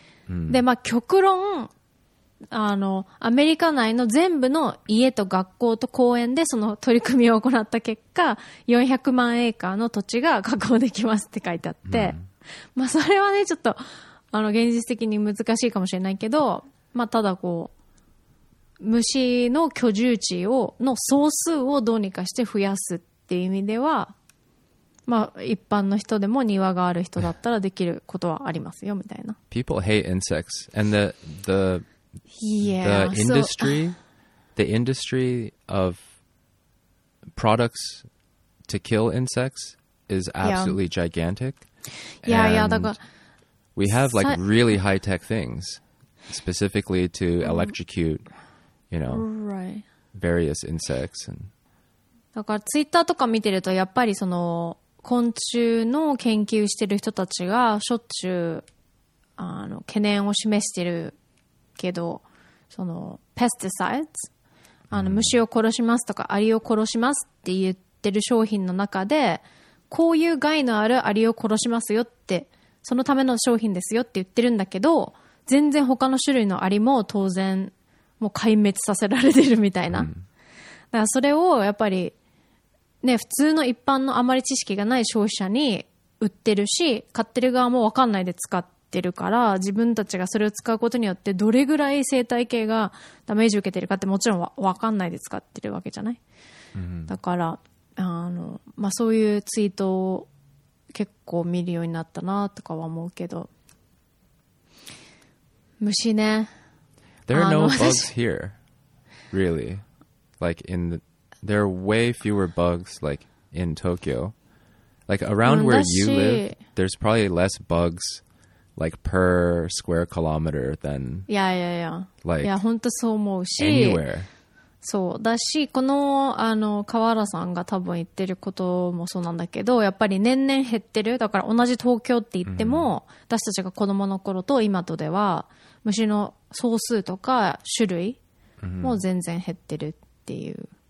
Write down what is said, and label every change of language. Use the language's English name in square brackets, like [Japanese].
[Japanese] で、まあ極論、あのアメリカ内の全部の家と学校と公園でその取り組みを行った結果、400万エーカーの土地が確保できますって書いてあって、まあそれはねちょっとあの現実的に難しいかもしれないけど、まあただこう虫の居住地をの総数をどうにかして増やすっていう意味では、まあ一般の人でも庭がある人だったらできることはありますよみたいな。 [English] People hate insects and the Yeah, the industry of products to kill insects is absolutely gigantic. Yeah, and yeah. [Japanese] だから [English] we have like really high tech things specifically to electrocute, you know, various insects. And [Japanese] だからツイッターとか見てるとやっぱりその昆虫の研究してる人たちがしょっちゅうあの懸念を示してる。けどそのペスティサイズ、あの虫を殺しますとかアリを殺しますって言ってる商品の中でこういう害のあるアリを殺しますよってそのための商品ですよって言ってるんだけど、全然他の種類のアリも当然もう壊滅させられてるみたいな、だからそれをやっぱりね普通の一般のあまり知識がない消費者に売ってるし、買ってる側も分かんないで使ってってるから、自分たちがそれを使うことによってどれぐらい生態系がダメージ受けてるかってもちろん分かんないで使ってるわけじゃない、だからあの、まあ、そういうツイートを結構見るようになったなとかは思うけど、虫ね、 [English] There are no bugs here really, like in the, there are way fewer bugs like in Tokyo, like around where you live there's probably less bugs like per square kilometer than anywhere. [Japanese] そうだし、このあの河原さんが多分言ってることもそうなんだけど、やっぱり年々減ってる。だから同じ東京って言っても、私たちが子供の頃と今とでは虫の総数とか種類も全然減ってるっていう。